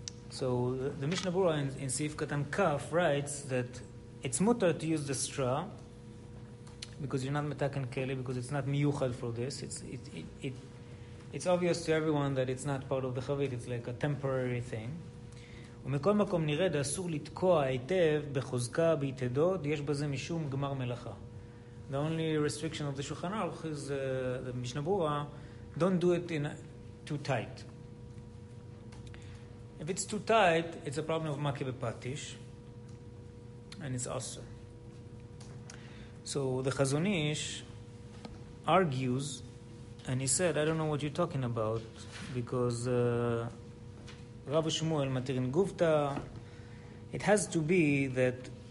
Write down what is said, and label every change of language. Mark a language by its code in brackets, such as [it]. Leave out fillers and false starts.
[en] So the Mishnah Brura in Seif Katan Kaf writes that it's mutar to use the straw because you're not metaken keli, because it's not miyuchad for this. It's it, it, it it's obvious to everyone that it's not part of the chavit, it's like a temporary thing. [he] ומכל מקום נראה דאסור לתקוע היטב בחוזקה ביתדות, יש בזה משום גמר מלאכה. [en] The only restriction of the Shulchan Aruch is the Mishnah Berurah, don't do it too tight. If it's too tight, it's a problem of makeh bepatish, and it's also. So the Chazon Ish argues, and he said, I don't know what you're talking about, because Rav Shmuel Matirin Gufta, it has to be that